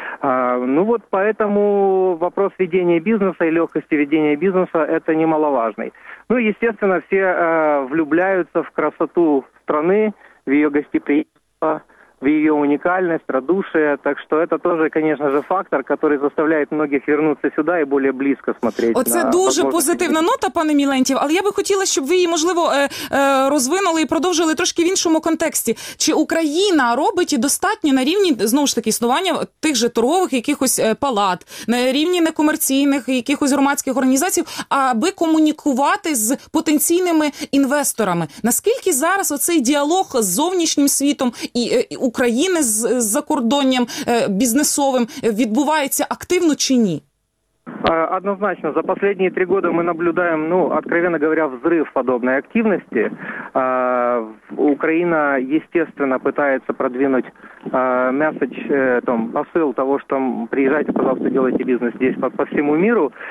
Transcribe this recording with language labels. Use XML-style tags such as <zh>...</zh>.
<ru>Ну вот поэтому вопрос ведения бизнеса и легкости ведения бизнеса – это немаловажный. Ну, естественно, все влюбляются в красоту страны, в ее гостеприимство, в ее уникальность, радушие. Так что это тоже, конечно же, фактор, который заставляет многих вернуться сюда и более близко смотреть.</ru> <uk>Оце дуже позитивна нота, пане Мілентів, але я би хотіла, щоб ви її, можливо, розвинули і продовжили трошки в іншому контексті. Чи Україна робить достатньо на рівні, знову ж таки, існування тих же торгових якихось палат, на рівні некомерційних якихось громадських організацій, аби комунікувати з потенційними інвесторами? Наскільки зараз оцей діалог з зовнішнім світом і України з закордонням бізнесовим відбувається активно чи ні?</uk> <ru>Однозначно, за последние 3 года мы наблюдаем, ну, откровенно говоря, взрыв подобной активности. Украина, естественно, пытается продвинуть месседж, там, посыл того, что приезжайте, пожалуйста, делайте бизнес здесь по всему миру.</ru>